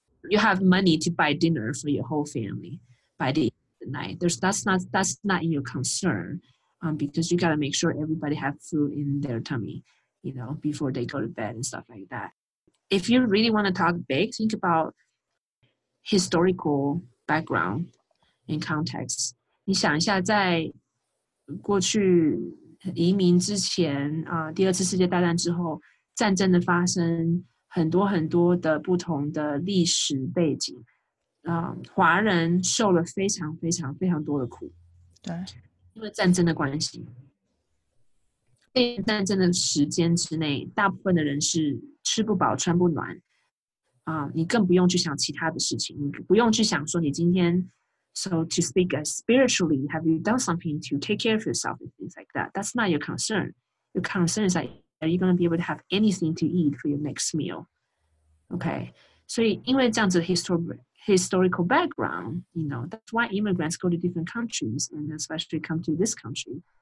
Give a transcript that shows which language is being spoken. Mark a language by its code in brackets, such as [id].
[en] You have money to buy dinner for your whole family by the end of the night. That's not in your concern because you got to make sure everybody have food in their tummy, you know, before they go to bed and stuff like that. If you really want to talk big, think about historical background and context. [zh] 你想一下在过去移民之前, 第二次世界大战之后, 战争的发生, 很多很多的不同的历史背景, 华人受了非常非常非常多的苦, 因为战争的关系, 在战争的时间之内, 大部分的人是, 吃不饱, 穿不暖, 你更不用去想其他的事情, 你不用去想说你今天 [en] So to speak as spiritually, have you done something to take care of yourself and things like that? That's not your concern. Your concern is like, are you going to be able to have anything to eat for your next meal? Okay. So in way down to the historical background, you know, that's why immigrants go to different countries and especially come to this country.